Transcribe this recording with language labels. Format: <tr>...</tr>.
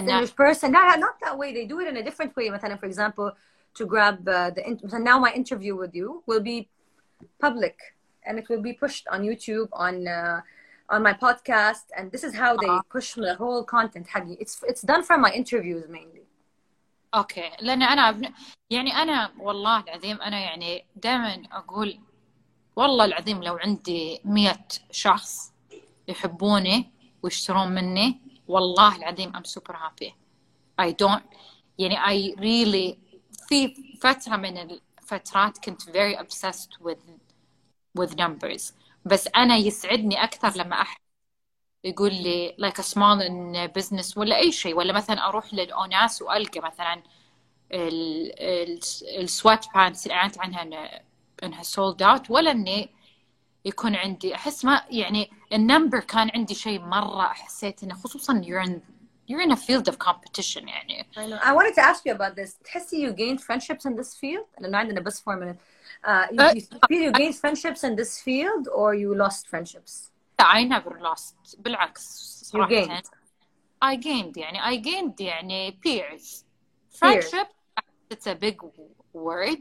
<en>إنه. But in person, no, not that way. They do it in a different way.</en> <ar>مثلاً,</ar> <en>for example, to grab so now my interview with you will be public. And it will be pushed on YouTube, on my podcast, and this is how they push the whole content. Haggy, it's done from my interviews mainly.</en> <ar>Okay, لأن أنا يعني أنا والله العظيم أنا يعني دائما أقول والله العظيم لو عندي 100 شخص يحبوني ويشترون مني والله العظيم</ar> <en>I'm super happy. I don't يعني I really</en> <ar>في فترة من الفترات كنت</ar> <en>very obsessed with numbers.</en> <ar>بس أنا يسعدني أكثر لما أحد يقول لي</ar> <en>like a small business</en> <ar>ولا أي شيء ولا مثلا أروح للأوناس وألقى مثلا السوات بانس اللي أعلنت عنها أنها</ar> <en>sold out</en> <ar>ولا أني يكون عندي أحس ما يعني النمبر كان عندي شيء مرة حسيت أنه خصوصا</ar> <en>you're in a field of competition</en> <ar>يعني.</ar> <en>I know. I wanted to ask you about this.</en> <ar>تحسي</ar> <en>you gained friendships in this field?</en> <ar>أنا عندنا بس</ar> <en>4 minutes. You gained friendships in this field or you lost friendships? I never lost.</en> <ar>بالعكس.</ar> <en>You gained. I gained peers. Friendship, peers. It's a big word.</en>